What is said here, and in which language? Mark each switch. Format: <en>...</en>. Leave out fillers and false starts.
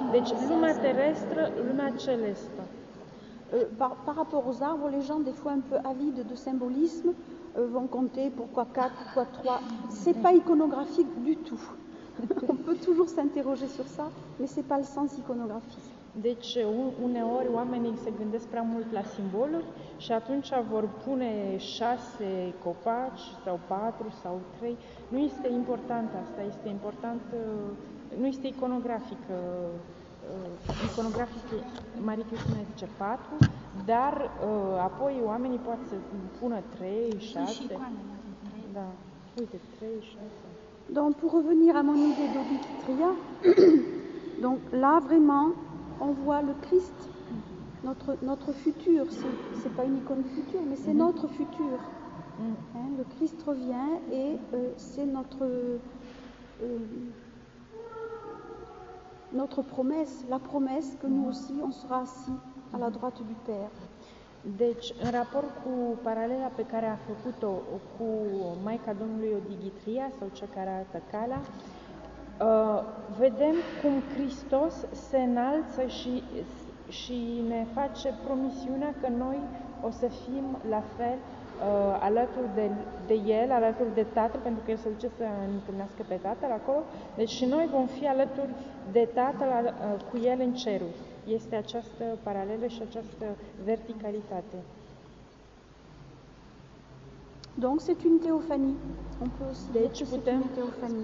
<ro>Deci lumea terestră, lumea celestă.</ro> <fr>Par rapport aux arbres, les gens, des fois, un peu avides de symbolisme, vont compter pourquoi 4, pourquoi 3. C'est pas iconographique du tout. On peut toujours s'interroger sur ça, mais c'est pas le sens iconographique.</fr> <ro>Deci, uneori oamenii se gândesc prea mult la simboluri și atunci vor pune 6 copaci sau 4 sau 3. Nu este important asta, este important, nu este iconografic. Iconografic, Marie Cristina zice 4, dar apoi oamenii poate să pună 3, 6. Da. Uite, 3, 6.</ro> <fr>Donc pour revenir à mon idée d'Obitria, donc là vraiment on voit le Christ, notre futur, c'est pas une icône du futur, mais c'est notre futur. Hein, le Christ revient et c'est notre notre promesse, la promesse que nous aussi on sera assis à la droite du Père.</fr> <ro>Deci, în raport cu paralela pe care a făcut-o cu Maica Domnului Odighitria sau cea care arată calea, vedem cum Hristos se înalță și ne face promisiunea că noi o să fim la fel alături de El, alături de Tatăl, pentru că El se duce să întâlnească pe Tatăl acolo. Deci și noi vom fi alături de Tatăl cu El în ceruri. Este această paralelă și această verticalitate.</ro> <fr>Donc c'est une théophanie. On peut aussi</fr> <ro>deci putem,</ro> <fr>une théophanie.</fr>